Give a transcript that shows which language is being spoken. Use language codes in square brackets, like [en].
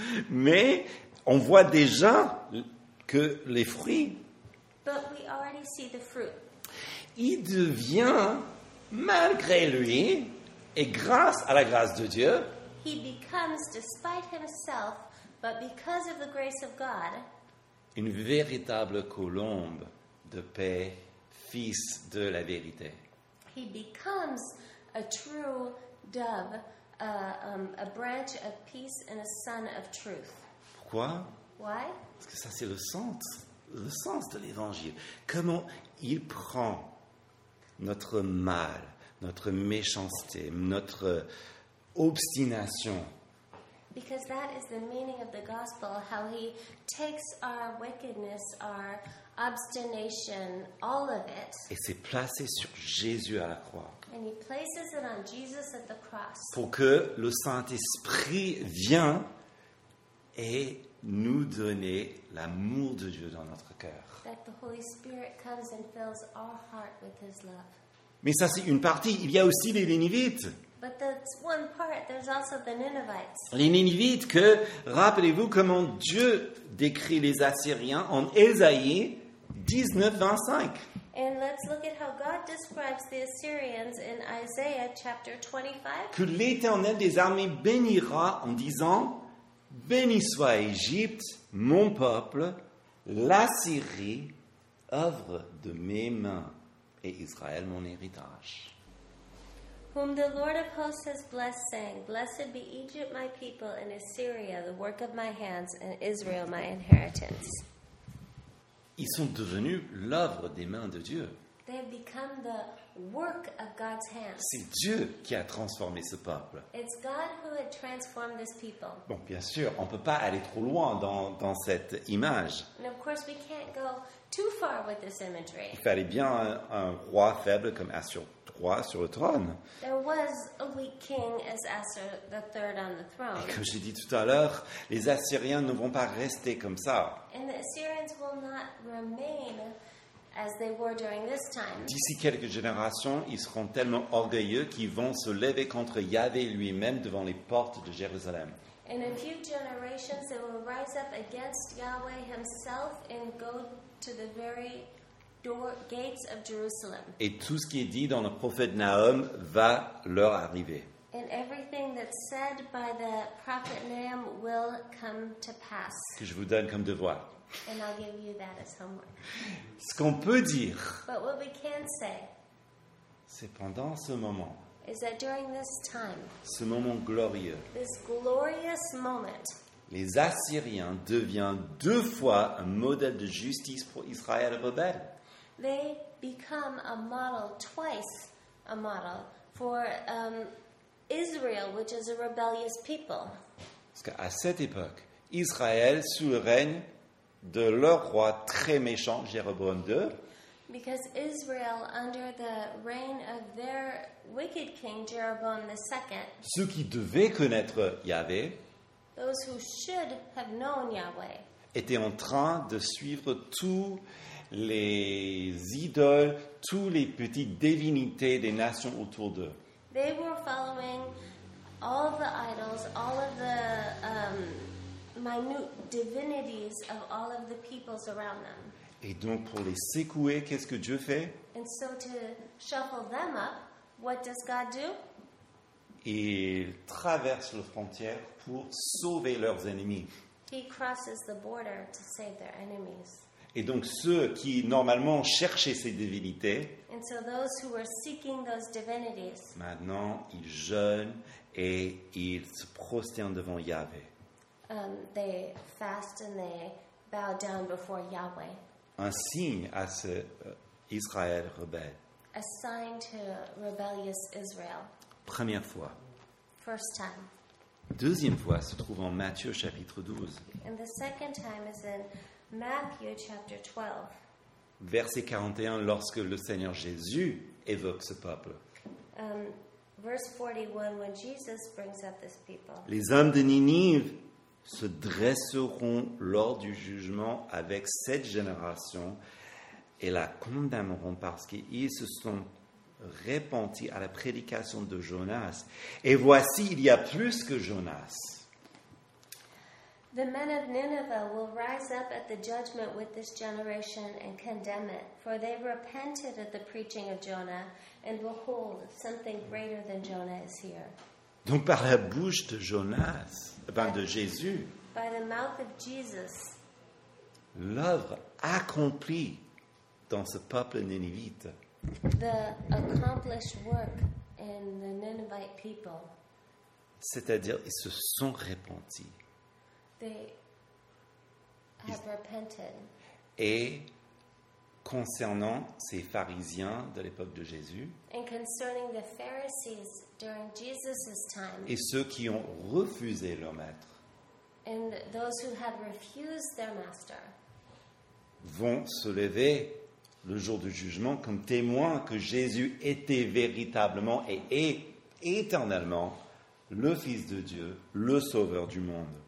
[fr] Mais on voit déjà que les fruits. [en] But we already see the fruit. [fr] Il devient, malgré lui, et grâce à la grâce de Dieu, [en] he becomes, despite himself, but because of the grace of God, [fr] une véritable colombe de paix, fils de la vérité. [en] He becomes a true dove, a branch of peace and a son of truth. [fr] Pourquoi? [en] Why? [fr] Parce que ça, c'est le sens de l'Évangile. Comment il prend notre mal, notre méchanceté, notre obstination. [en] Because that is the meaning of the gospel, how he takes our wickedness, our obstination, all of it. [fr] Et c'est placé sur Jésus à la croix. [en] And he places it on Jesus at the cross. [fr] Pour que le Saint-Esprit vienne et nous donner l'amour de Dieu dans notre cœur. [en] That the Holy Spirit comes and fills our heart with his love. [fr] Mais ça, c'est une partie. Il y a aussi les Ninivites. [en] But that's one part. There's also the Ninevites. [fr] Les Ninivites que, rappelez-vous comment Dieu décrit les Assyriens en Ésaïe 19:25. [en] And let's look at how God describes the Assyrians in Isaiah chapter 25. [fr] Que l'Éternel des armées bénira en disant, béni soit Égypte, mon peuple, l'Assyrie, œuvre de mes mains, et Israël mon héritage. [en] Whom the Lord of hosts has blessed, saying, blessed be Egypt, my people, and Assyria, the work of my hands, and Israel, my inheritance. [fr] Ils sont devenus l'œuvre des mains de Dieu. [en] They have become the work of God's hands. [fr] C'est Dieu qui a transformé ce peuple. [en] It's God who had transformed this people. [fr] Bon, bien sûr, on ne peut pas aller trop loin dans cette image. [en] And of course, we can't go too far with this imagery. [fr] Il fallait bien un roi faible comme Assur. Sur le trône. [en] There was a weak king as Assur the third on the throne. [fr] Et comme j'ai dit tout à l'heure, les Assyriens ne vont pas rester comme ça. [en] And the Assyrians will not remain as they were during this time. [fr] D'ici quelques générations, ils seront tellement orgueilleux qu'ils vont se lever contre Yahvé lui-même devant les portes de Jérusalem. [en] In a few generations, they will rise up against Yahweh himself and go to the very gates of Jerusalem. [fr] Et tout ce qui est dit dans le prophète Nahum va leur arriver. [en] And everything that's said by the prophet Nahum will come to pass. [fr] Que je vous donne comme devoir. [en] And I'll give you that as homework. [fr] Ce qu'on peut dire. [en] But what we can say. [fr] C'est pendant ce moment. [en] Is that during this time. [fr] Ce moment glorieux. [en] This glorious moment. [fr] Les Assyriens deviennent deux fois un modèle de justice pour Israël rebelle. [en] They become a model, twice a model, for Israel, which is a rebellious people. [fr] Parce qu'à cette époque, Israël, sous le règne de leur roi très méchant, Jéroboam II, [en] because Israel, under the reign of their wicked king, Jeroboam II, [fr] ceux qui devaient connaître Yahvé, [en] those who should have known Yahweh, [fr] étaient en train de suivre tout les idoles, tous les petites divinités des nations autour d'eux. [en] They were following all the idols, all of the minute divinities of all of the peoples around them. [fr] Et donc pour les secouer, qu'est-ce que Dieu fait? [en] And so to shuffle them up, what does God do? [fr] Il traverse la frontière pour sauver leurs ennemis. [en] He crosses the border to save their enemies. [fr] Et donc ceux qui normalement cherchaient ces divinités, [en] and so those who were seeking those divinities, [fr] maintenant ils jeûnent et ils se prosternent devant Yahvé. [en] They fast and they bow down before Yahweh. [fr] Un signe à ce Israël rebelle. [en] A sign to rebellious Israel. [fr] Première fois. [en] First time. [fr] Deuxième fois se trouve en Matthieu chapitre 12. [en] And the second time is in Matthieu, chapter 12. [fr] Verset 41, lorsque le Seigneur Jésus évoque ce peuple. [en] Verse 41, when Jesus brings up this people. [fr] Les hommes de Ninive se dresseront lors du jugement avec cette génération et la condamneront parce qu'ils se sont repentis à la prédication de Jonas. Et voici, il y a plus que Jonas. [en] The men of Nineveh will rise up at the judgment with this generation and condemn it, for they repented at the preaching of Jonah, and behold, something greater than Jonah is here. [fr] Donc par la bouche de Jonas, de Jésus, [en] by the mouth of Jesus, [fr] l'œuvre accomplie dans ce peuple ninivite, [en] the accomplished work in the Ninevite people, [fr] c'est-à-dire ils se sont repentis. [en] They have repented. [fr] Et concernant ces pharisiens de l'époque de Jésus, [en] and concerning the Pharisees during Jesus' time, [fr] et ceux qui ont refusé leur maître, [en] and those who had refused their master, [fr] vont se lever le jour du jugement comme témoins que Jésus était véritablement et est éternellement le Fils de Dieu, le Sauveur du monde.